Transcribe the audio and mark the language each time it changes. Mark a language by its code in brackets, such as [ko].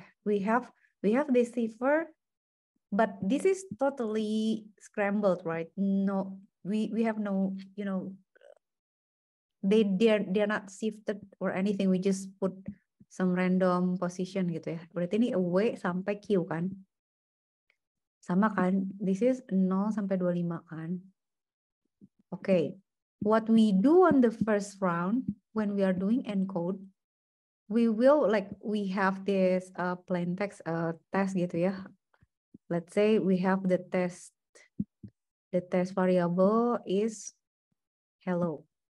[en] We have this sifar, but this is totally scrambled, right? No, we have no, you know, they're not sifted or anything. We just put some random position [id] gitu ya. Berarti ini W sampai Q kan. Sama kan, [en] this is [id] 0 sampai 25 kan. [en] Okay, what we do on the first round when we are doing encode, we will like we have this plain text test [id] gitu ya. [en] Let's say we have the test variable is hello.